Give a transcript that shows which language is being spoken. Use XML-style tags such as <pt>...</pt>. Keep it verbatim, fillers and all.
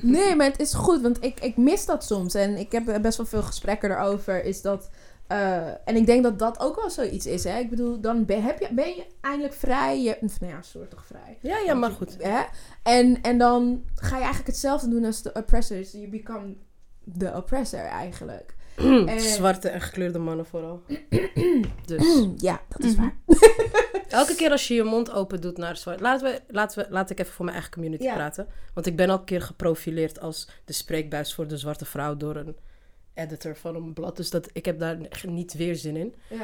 <nl>Nee, maar het is goed, want ik, ik mis dat soms. En ik heb best wel veel gesprekken erover, is dat... Uh, en ik denk dat dat ook wel zoiets is, hè. Ik bedoel, dan ben, heb je, ben je eindelijk vrij. Je, nou ja, soort toch vrij. Ja, ja, maar goed. Hè? En, en dan ga je eigenlijk hetzelfde doen als de oppressors.</nl> <en>You become the oppressor eigenlijk.</en> <nl>En... Zwarte en gekleurde mannen vooral. Dus. Ja, dat is waar. Elke keer als je je mond open doet naar zwart... Laten we, laten we, laat ik even voor mijn eigen community ja. praten. Want ik ben al een keer geprofileerd als de spreekbuis voor de zwarte vrouw door een... editor van een blad, dus dat, ik heb daar niet weer zin in.</nl>